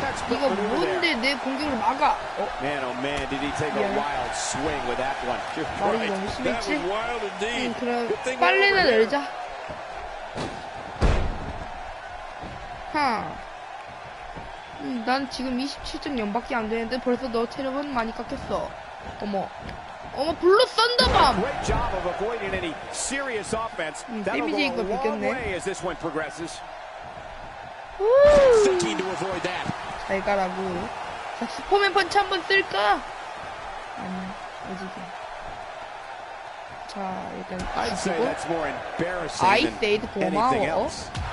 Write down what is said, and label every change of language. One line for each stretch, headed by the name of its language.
Korean: 이거 뭔데 내 공격을 막아? 어?
English: Man, oh man, did he take a wild swing with that one? You're right. That was wild indeed. Good thing we're over here.
Korean: 빨래나 내리자. 하. 난 지금 27.0밖에 안 되는데 벌써 너 체력은 많이 깎였어. 어머. 어머 블루 썬더밤.
English: Great job of avoiding any serious offense. That'll go a long way as this one progresses. Ooh. 15 to avoid that.
Korean: 잘 가라고. 자 슈퍼맨 펀치 한번 쓸까? 아니 아직. 자 일단
English: I'd say that's more embarrassing than anything else.